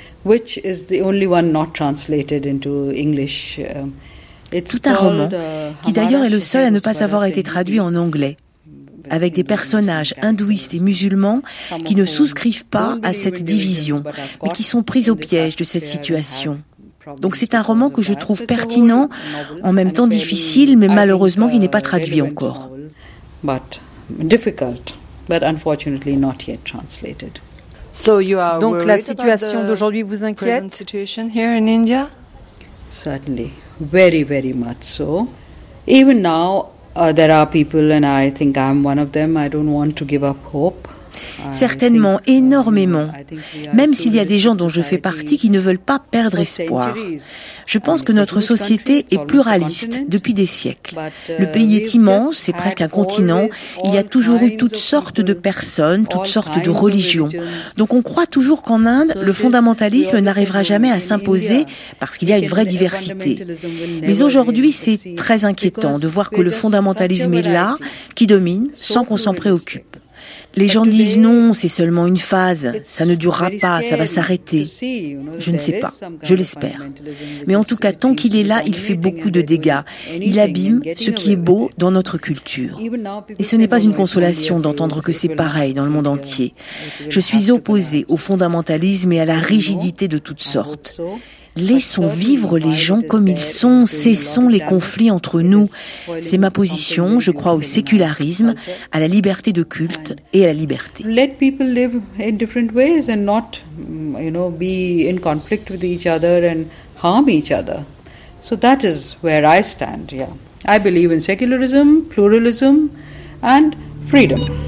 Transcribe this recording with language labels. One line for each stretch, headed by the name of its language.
English: Which is the only one not translated into English.
French: It's tout un roman, qui d'ailleurs est le seul à ne pas avoir été traduit en anglais, avec des personnages hindouistes et musulmans qui ne souscrivent pas à cette division, mais qui sont pris au piège de cette situation. Donc c'est un roman que je trouve pertinent, en même temps difficile, mais malheureusement qui n'est pas traduit encore. Donc la situation d'aujourd'hui vous inquiète?
English: Here in India? Certainly, very, very much so. Even now, there are people, and I think I'm one of them. I don't want to give up hope.
French: Certainement, énormément. Même s'il y a des gens dont je fais partie qui ne veulent pas perdre espoir. Je pense que notre société est pluraliste depuis des siècles. Le pays est immense, c'est presque un continent. Il y a toujours eu toutes sortes de personnes, toutes sortes de religions. Donc on croit toujours qu'en Inde, le fondamentalisme n'arrivera jamais à s'imposer parce qu'il y a une vraie diversité. Mais aujourd'hui, c'est très inquiétant de voir que le fondamentalisme est là, qui domine, sans qu'on s'en préoccupe. Les gens disent non, c'est seulement une phase, ça ne durera pas, ça va s'arrêter. Je ne sais pas, je l'espère. Mais en tout cas, tant qu'il est là, il fait beaucoup de dégâts. Il abîme ce qui est beau dans notre culture. Et ce n'est pas une consolation d'entendre que c'est pareil dans le monde entier. Je suis opposée au fondamentalisme et à la rigidité de toutes sortes. Laissons vivre les gens comme ils sont, cessons les conflits entre nous. C'est ma position, je crois au sécularisme, à la liberté de culte et à la liberté.
English: Let people live in different ways and not, you know, be in conflict with each other and harm each other. So that is where I stand, yeah. I believe in secularism, pluralism and freedom.